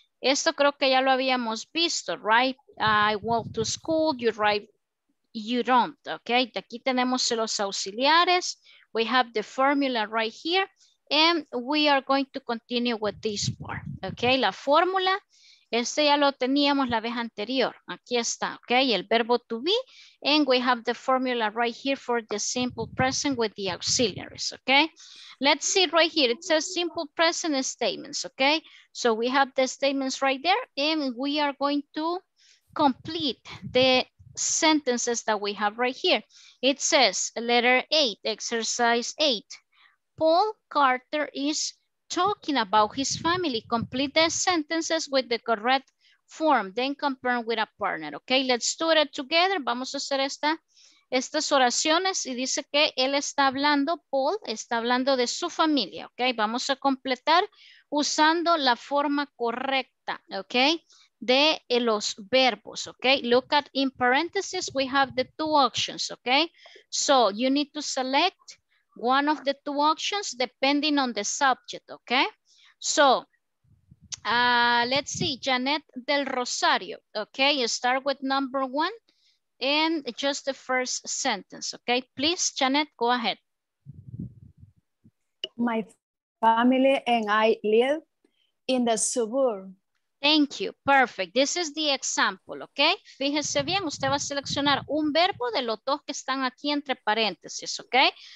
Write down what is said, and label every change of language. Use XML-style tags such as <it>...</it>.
<es>Esto creo que ya lo habíamos visto,</es> <en>right? I walk to school, you write, you don't, okay?</en> <es>Aquí tenemos los auxiliares,</es> <en>we have the formula right here, and we are going to continue with this part, okay?</en> <es>La fórmula, este ya lo teníamos la vez anterior, aquí está, okay? El verbo</es> <en>to be, and we have the formula right here for the simple present with the auxiliaries, okay? Let's see right here, it says simple present statements, okay? So we have the statements right there, and we are going to complete the sentences that we have right here. It says letter eight, exercise eight. Paul Carter is talking about his family. Complete the sentences with the correct form, then compare with a partner, okay? Let's do it together.</en> <es>Vamos a hacer estas oraciones y dice que él está hablando, Paul está hablando de su familia, okay? Vamos a completar usando la forma correcta, okay? De los verbos, okay?</es> <en>Look at in parentheses, we have the two options, okay? So you need to select one of the two options depending on the subject, okay? So, let's see, Janet del Rosario, okay? You start with number one and just the first sentence, okay? Please, Janet, go ahead. My family and I live in the suburb. Thank you, perfect. This is the example, okay?</en> <es>Fíjese bien, usted va a seleccionar un verbo de los dos que están aquí entre paréntesis, okay?</es>